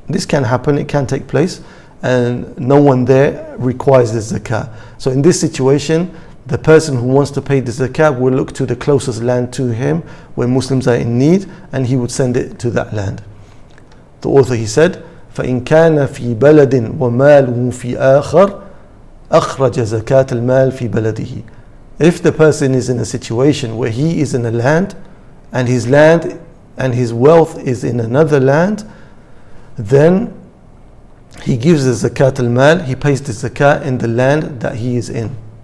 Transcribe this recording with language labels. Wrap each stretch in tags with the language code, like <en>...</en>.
<en>This can happen, it can take place, and no one there requires the zakah. So in this situation, the person who wants to pay the zakat will look to the closest land to him where Muslims are in need, and he would send it to that land. The author, he said,</en> <ar>فَإِنْ كَانَ فِي بَلَدٍ وَمَالُهُ فِي آخَرٍ أَخْرَجَ زَكَاتَ الْمَالِ فِي بَلَدِهِ.</ar> <en>If the person is in a situation where he is in a land and his wealth is in another land, then he gives the zakat al-mal, he pays the zakat in the land that he is in.</en>